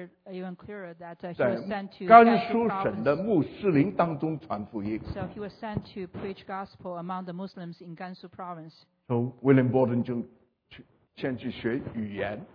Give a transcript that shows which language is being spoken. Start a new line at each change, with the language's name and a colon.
English: Even clearer that he was sent to
Chinese: 甘肃省的穆斯林当中传福音。
English: So he was sent to preach gospel among the Muslims in Gansu province.
Chinese: So William Borden 就先去学语言。